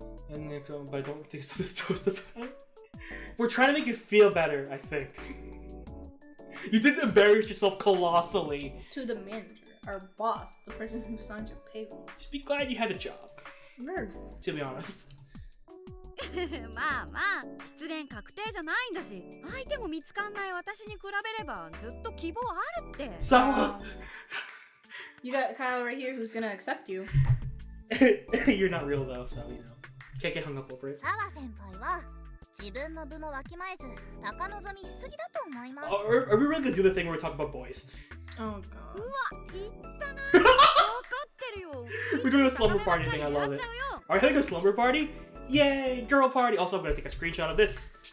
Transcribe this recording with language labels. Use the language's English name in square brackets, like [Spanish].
[English] And then, but I don't think it's the toast of it. We're trying to make you feel better, I think. You did embarrass yourself colossally. To the manager. our boss, the person who signs your paper. Just be glad you had a job. Very. To be honest. [Japanese] まあまあ、失恋確定じゃないんだし、相手も見つかんない私に比べれば、ずっと希望あるって。さあ。 [English] You got Kyle right here who's gonna accept you. You're not real though, so you know. Can't get hung up over it. [Japanese] さわ先輩は、自分の部もわきまえず、高望みしすぎだと思います。 [English] Are we really gonna do the thing where we talk about boys? Oh god. [Japanese] うわ、言ったな。わかってるよ。 [English] We're doing a slumber party thing, I love it. Are we having a slumber party? Yay, girl party! Also, I'm gonna take a screenshot of this.